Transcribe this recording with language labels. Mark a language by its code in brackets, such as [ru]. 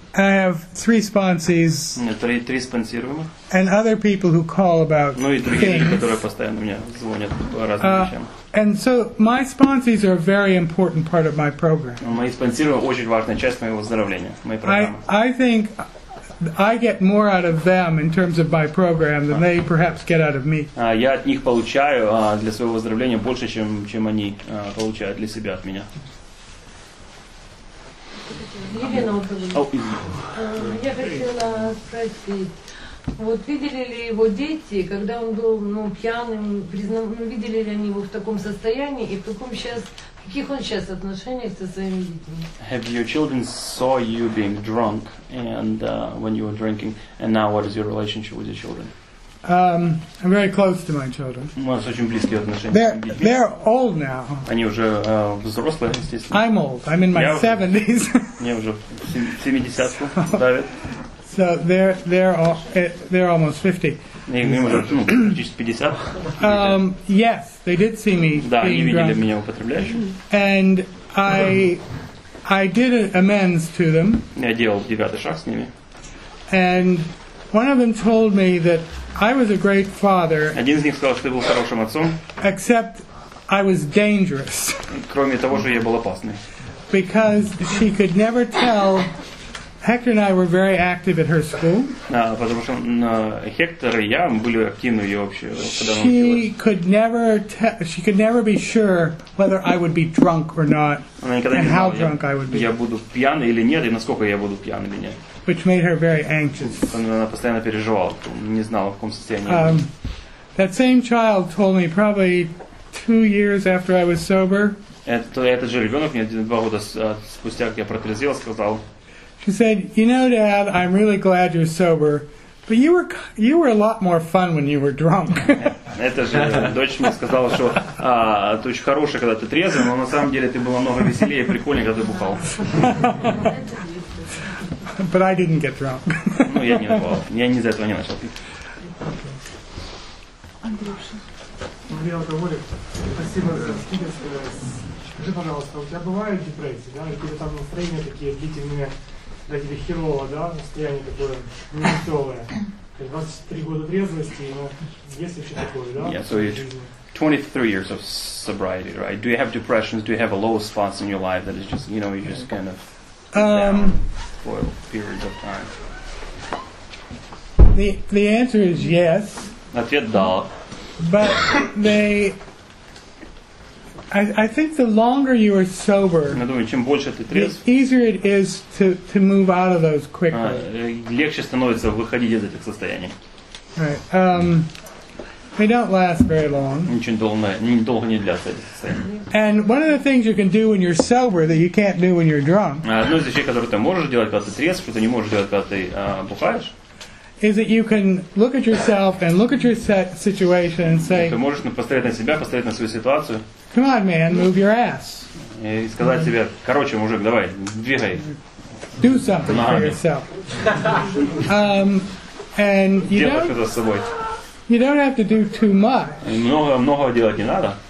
[en] I have three sponsees. [ru] Нет, три спонсируемых. [en] And other people who call about things. [ru] Ну и другие люди, которые постоянно мне звонят по разным вещам. [en] And so my sponsees are a very important part of my program. [ru] Мои спонсируемые очень важная часть моего выздоровления, моей программы. [en] I think I get more out of them in terms of my program than they perhaps get out of me. [ru] Я от них получаю для своего выздоровления больше, чем они получают для себя от меня. Я хотела спросить, вот видели ли его дети, когда он был пьяным, видели ли они его в таком состоянии и в каком сейчас, каких он сейчас отношениях со своими детьми? [en] Have your children saw you being drunk and when you were drinking, and now what is your relationship with your children? I'm very close to my children. [ru] У нас очень близкие отношения. [en] They're old now. [ru] Они уже взрослые, естественно. [en] I'm old. I'm in my 70s. [ru] Мне уже 70-ку давит. [en] So they're almost 50. [ru] Им уже почти 50. [en] Yes, they did see me. [ru] Да, они видели меня употребляющим. [en] And I did amends to them. [ru] Я делал девятый шаг с ними. [en] And one of them told me that I was a great father. [ru] Один из них сказал, что я был хорошим отцом. [en] Except I was dangerous. [ru] Кроме того, что я был опасный. [en] Because she could never tell. Hector and I were very active at her school. [ru] Потому что Хектор и я были активны в её общей, когда она училась. [en] She could never be sure whether I would be drunk or not. [ru] Она никогда не знала, [en] how drunk I would be. [ru] Я буду пьян или нет, и насколько я буду пьян или нет. [en] Which made her very anxious. [ru] Она постоянно переживала, не знала, в каком состоянии. [en] That same child told me probably 2 years after I was sober. [ru] Этот же ребёнок мне 2 года спустя, как я протрезвел, сказал. [en] She said, "You know, Dad, I'm really glad you're sober, but you were a lot more fun when you were drunk." [ru] Эта же дочь мне сказала, что ты очень хороший, когда ты трезвый, но на самом деле ты был намного веселее и прикольнее, когда ты бухал. [en] But I didn't get drunk. [ru] Ну, я не напал. Я не из-за этого не начал пить. Андрюша. Андрей Алкоголик. Спасибо за скидку. Скажи, пожалуйста, у тебя бывают депрессии, да? Или там настроения такие длительные, да, тебе херово, да? Настроение такое невеселое. 23 года трезвости, но есть еще такое, да? [en] Yeah, so it's 23 years of sobriety, right? Do you have depressions? Do you have a low spots in your life that is just, you know, you just kind of... For periods of time. The answer is yes. [ru] Ответ да. [en] But they. I think the longer you are sober, [ru] чем больше ты трезв, [en] the easier it is to move out of those quickly. [ru] Легче становится выходить из этих состояний. [en] They don't last very long. [ru] Долго не длятся эти состояния. [en] And one of the things you can do when you're sober that you can't do when you're drunk. [ru] Одно из вещей, которые ты можешь делать, когда ты трезв, что ты не можешь делать, когда ты бухаешь. [en] Is that you can look at yourself and look at your situation and say. [ru] Ты можешь посмотреть на себя, посмотреть на свою ситуацию. [en] Come on, man, move your ass. [ru] И сказать себе: короче, мужик, давай, двигай. [en] Do something for yourself. And you know. [ru] Делай что-то с собой. [en] You don't have to do too much. [ru] Много делать не надо.